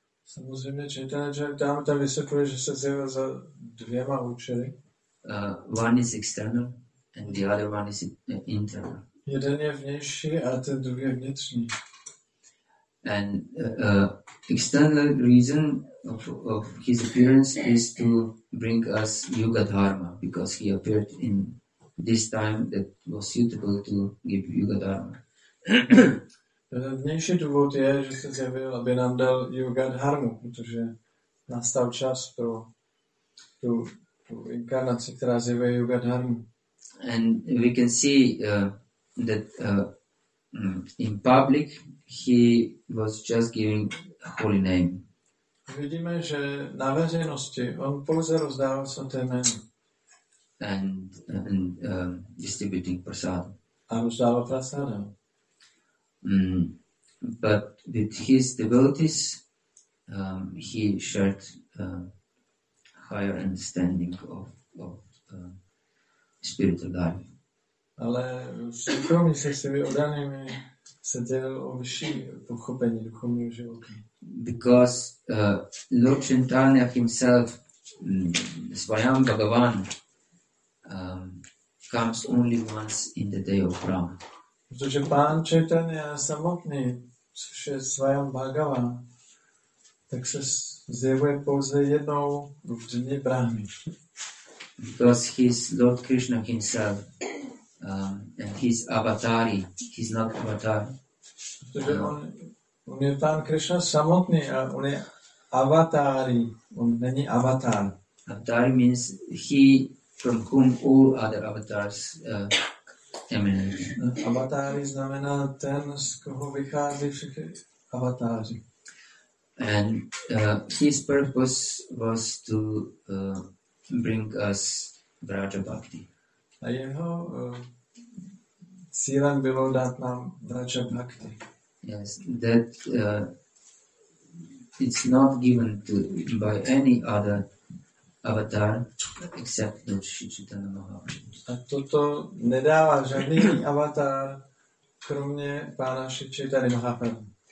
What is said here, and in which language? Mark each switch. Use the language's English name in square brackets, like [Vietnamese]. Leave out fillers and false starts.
[Czech] Samozřejmě Chaitanya Charitamrita vysvětluje, že se zjevil za dvěma účely. [English] One is external and the other one is internal. [Czech] Jeden je vnější a ten druhý je vnitřní. [English] And external reason of his appearance is to bring us Yuga Dharma, because he appeared in this time that was suitable to give Yuga Dharma. [Czech] Vnější důvod je, že se zjevil, aby nám dal Yuga Dharmu, protože nastal čas pro tu inkarnaci, která zjevuje Yuga Dharmu. [English] And we can see that in public he was just giving a holy name. [Czech] Vidíme, že na veřejnosti on pouze rozdával svaté jméno. [English] And distributing prasad. [Czech] A rozdával prasada. [English] But with his devotees, he shared higher understanding of spiritual life. [Czech] Ale s duchovní se svými oddanými se dělal o vyšší pochopení duchovního života. [English] Because Lord Chaitanya himself, Svayam Bhagavan, comes only once in the day of Brahma. [Czech] Protože Pán Chaitanya samotný, což je Svayam Bhagavan, tak se zjevuje pouze jednou v dní Brahmy. [English] Because he's Lord Krishna himself, and his avatar, he's not avatar. [Czech] On je Pán Krishna samotný, a on je avatari, on není avatar. [English] Avatari means he from whom all other avatars emanate. [Czech] Avatari znamená ten, z koho vychází všichni avatáři. [English] And his purpose was to bring us Vraja Bhakti. [Czech] A jeho cílem bylo dát nám Vraja Bhakti. [English] Yes, that it's not given to by any other avatar except Lord Sri Chaitanya Mahaprabhu. [Czech] A toto nedává žádný avatar kromě Pána Sri Chaitanya Mahaprabhu.